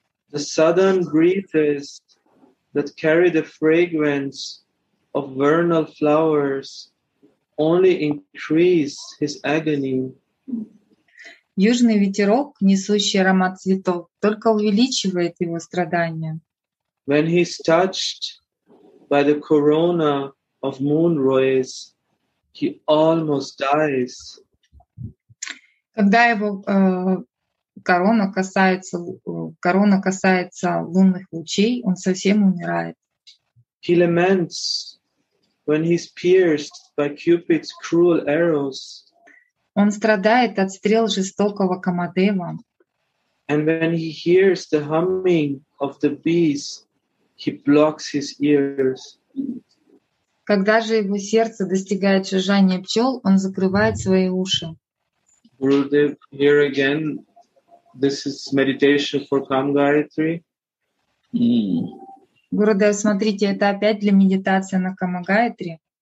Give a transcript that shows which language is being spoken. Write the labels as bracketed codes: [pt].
[en] The southern breezes that carry the fragrance of vernal flowers only increase his agony. [ru] Южный ветерок, несущий аромат цветов, только увеличивает его страдания. [en] When he is touched by the corona of moonrays, he almost dies. [ru] Когда его корона касается лунных лучей, он совсем умирает. [en] He laments when he's pierced by Cupid's cruel arrows. [ru] Он страдает от стрел жестокого Камадева. [en] And when he hears the humming of the bees, he blocks his ears. [ru] Когда же его сердце достигает жужжания пчел, он закрывает свои уши. [en] Gurudev, here again, this is meditation for Kama Gayatri. [ru] Gurudev, смотрите, это опять для медитации на Кама Гаятри.